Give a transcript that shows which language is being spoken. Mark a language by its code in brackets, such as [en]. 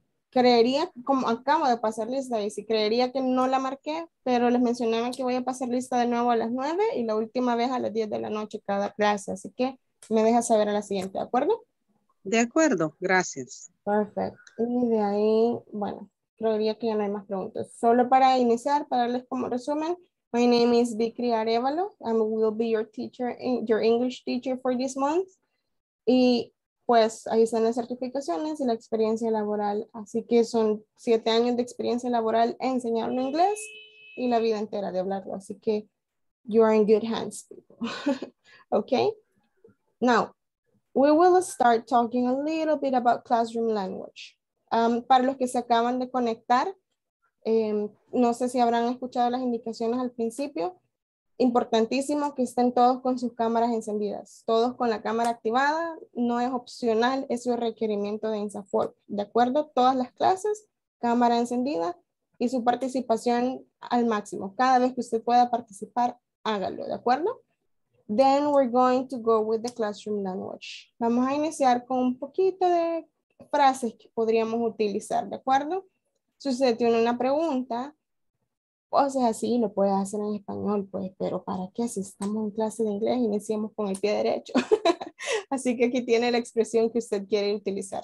[es] Creería, como acabo de pasar lista, Daisy, creería que no la marqué, pero les mencionaba que voy a pasar lista de nuevo a las 9 y la última vez a las 10 de la noche cada clase. Así que me deja saber a la siguiente, ¿de acuerdo? De acuerdo, gracias. Perfecto. Y de ahí, bueno, creería que ya no hay más preguntas. Solo para iniciar, para darles como resumen, [en] my name is Vicky Arevalo. I will be your teacher, your English teacher for this month. [es] Y pues ahí están las certificaciones y la experiencia laboral. Así que son 7 años de experiencia laboral enseñando inglés y la vida entera de hablarlo. Así que [en] you are in good hands, people. Okay? Now, we will start talking a little bit about classroom language. [es] Para los que se acaban de conectar, no sé si habrán escuchado las indicaciones al principio. Importantísimo que estén todos con sus cámaras encendidas. Todos con la cámara activada, no es opcional, es un requerimiento de INSAFOR. De acuerdo, todas las clases, cámara encendida y su participación al máximo. Cada vez que usted pueda participar, hágalo, ¿de acuerdo? [en] Then we're going to go with the classroom language. [es] Vamos a iniciar con un poquito de frases que podríamos utilizar, ¿de acuerdo? Si usted tiene una pregunta, o sea, sí, lo puede hacer en español, pues, pero ¿para qué? Si estamos en clase de inglés, iniciamos con el pie derecho. Así que aquí tiene la expresión que usted quiere utilizar.